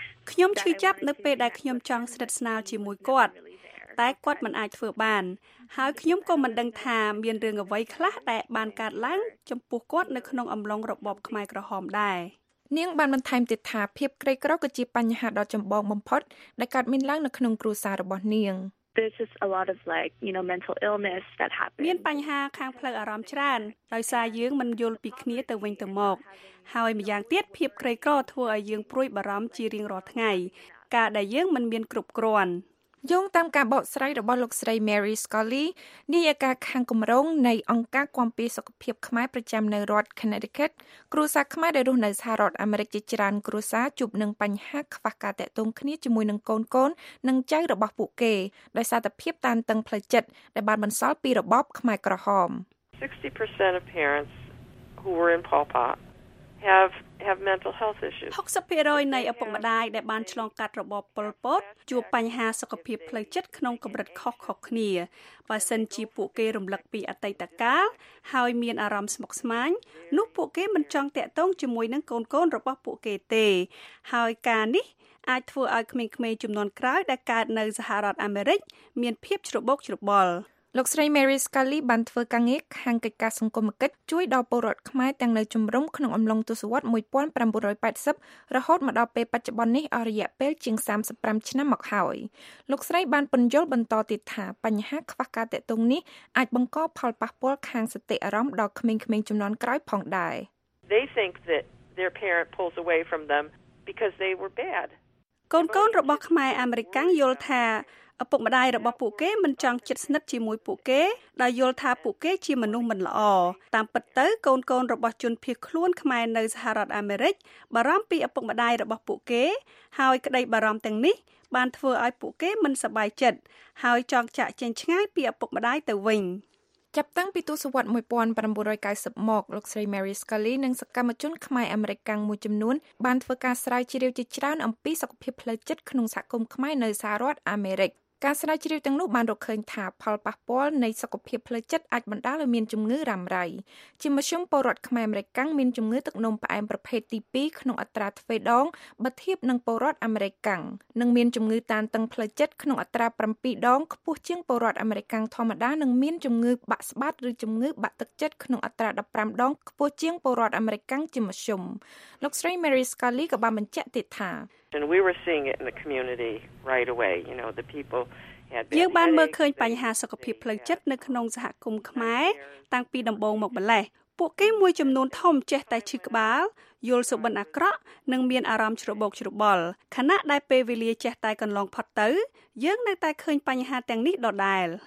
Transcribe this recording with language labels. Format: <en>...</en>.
<km>ខ្ញុំឈឺចាប់នៅពេលដែលខ្ញុំចង់ស្និទ្ធស្នាលជាមួយគាត់តែគាត់មិនអាចធ្វើបានហើយខ្ញុំក៏មិនដឹងថាមានរឿងអ្វីខ្លះដែលបានកើតឡើងចំពោះគាត់នៅក្នុងអំឡុងរបបខ្មែរក្រហមដែរ នាងបានបន្ថែមទៀតថាភាពក្រីក្រក៏ជាបញ្ហាដ៏ចម្បងបំផុតដែលកើតមានឡើងនៅក្នុងគ្រួសាររបស់នាង</km> <en>There's just a lot of mental illness that happens.</en> <km>មានបញ្ហាខាងផ្លូវអារម្មណ៍ច្រើនដោយសារយើងមិនយល់ពីគ្នាទៅវិញទៅមកហើយម្យ៉ាងទៀតភាពក្រីក្រធ្វើឲ្យយើងព្រួយបារម្ភជារៀងរាល់ថ្ងៃការដែលយើងមិនមានគ្រប់គ្រាន់ យោងតាមការបកស្រាយរបស់លោកស្រី Mary Scully នាយិកាខាងគម្រោងនៃអង្គការគាំពារសុខភាពខ្មែរប្រចាំនៅរដ្ឋ Connecticut គ្រួសារខ្មែរដែលរស់នៅសហរដ្ឋអាមេរិកជាច្រើនគ្រួសារជួបនឹងបញ្ហាខ្វះការតាក់ទងគ្នាជាមួយនឹងកូនកូននិងចៅរបស់ពួកគេដោយសារតែភាពតានតឹងផ្លូវចិត្តដែលបានបន្សល់ពីរបបខ្មែរក្រហម</km> <en>60% of parents who were in Pol Pot have mental health issues.</en> <km>60%នៃឪពុកម្ដាយដែលបានឆ្លងកាត់របបប៉ុលពតជួបបញ្ហាសុខភាពផ្លូវចិត្តក្នុងកម្រិតខុសៗគ្នាបើសិនជាពួកគេរំលឹកពីអតីតកាលហើយមានអារម្មណ៍ស្មុគស្មាញនោះពួកគេមិនចង់តាក់ទងជាមួយនឹងកូនៗរបស់ពួកគេទេហើយការនេះអាចធ្វើឲ្យក្មេងៗចំនួនក្រោយដែលកើតនៅសហរដ្ឋអាមេរិកមានភាពច្របូកច្របល់ លោកស្រី Mary Scully បានធ្វើការងារខាងកិច្ចការសង្គមគិតជួយដល់ពលរដ្ឋខ្មែរទាំងនៅជំរំក្នុងអំឡុងទសវត្ស 1980 រហូតមកដល់ពេលបច្ចុប្បន្ននេះអស់រយៈពេលជាង35ឆ្នាំមកហើយលោកស្រីបានពន្យល់បន្តទៀតថាបញ្ហាខ្វះការតាក់ទងនេះអាចបង្កផលប៉ះពាល់ខាងសតិអារម្មណ៍ដល់ក្មេងៗជំនាន់ក្រោយផងដែរ</km> <en>They think that their parent pulls away from them because they were bad</en> <km>កូនកូនរបស់ខ្មែរអាមេរិកយល់ថាឪពុកម្ដាយរបស់ពួកគេមិនចង់ជិតស្និទ្ធជាមួយពួកគេដោយយល់ថាពួកគេជាមនុស្សមិនល្អតាមពិតទៅកូនកូនរបស់ជនភៀសខ្លួនខ្មែរនៅសហរដ្ឋអាមេរិកបារម្ភពីឪពុកម្ដាយរបស់ពួកគេហើយក្តីបារម្ភទាំងនេះបានធ្វើឲ្យពួកគេមិនសប្បាយចិត្តហើយចង់ចាក់ចែងឆ្ងាយពីឪពុកម្ដាយទៅវិញ ចាប់តាំងពីទសវត្ស 1990 មកលោកស្រី Mary Scully និងសកម្មជនខ្មែរអាមេរិកមួយចំនួនបានធ្វើការស្រាវជ្រាវជាច្រើនអំពីសុខភាពផ្លូវចិត្តក្នុងសហគមន៍ខ្មែរនៅសហរដ្ឋអាមេរិកការស្រាវជ្រាវទាំងនោះបានរកឃើញថាផលប៉ះពាល់នៃសុខភាពផ្លូវចិត្តអាចបណ្ដាលឲ្យមានជំងឺរ៉ាំរ៉ៃ ជាមធ្យមពលរដ្ឋខ្មែរអាមេរិកមានជំងឺទឹកនោមផ្អែមប្រភេទទី2ក្នុងអត្រាទ្វេដងបើធៀបនឹងពលរដ្ឋអាមេរិកនិងមានជំងឺតានតឹងផ្លូវចិត្តក្នុងអត្រា7ដងខ្ពស់ជាងពលរដ្ឋអាមេរិកធម្មតានិងមានជំងឺបាក់ស្បាតឬជំងឺបាក់ទឹកចិត្តក្នុងអត្រា15ដងខ្ពស់ជាងពលរដ្ឋអាមេរិកជាមធ្យមលោកស្រី Mary Scully ក៏បានបញ្ជាក់ទៀតថា</km> <en>and we were seeing it in the community right away you know the people had been</en> <km>យើងបានមើលឃើញបញ្ហាសុខភាពផ្លូវចិត្តនៅក្នុងសហគមន៍ខ្មែរតាំងពីដំបូងមកម្លេះពួកគេមួយចំនួនធំចេះតែឈឺក្បាលយល់សុបិនអាក្រក់និងមានអារម្មណ៍ច្របូកច្របល់ខណៈដែលពេលវេលាចេះតែកន្លងផុតទៅយើងនៅតែឃើញបញ្ហាទាំងនេះដដែល</km>